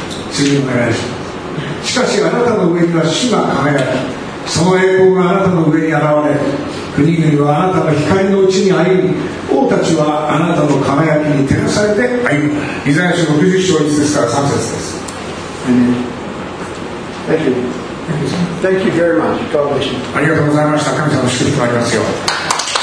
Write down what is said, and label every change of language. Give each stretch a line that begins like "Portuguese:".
Japanese: 次お願いします。しかしあなたの上には主が輝き、その栄光があなたの上に現れ、国々はあなたの光のうちに歩み、王たちはあなたの輝きに照らされて歩む。イザヤ書60章1節から3節です。
English: Thank you. Thank you very much. God bless you.
Japanese: ありがとうございました。神様の祝福がありますよ。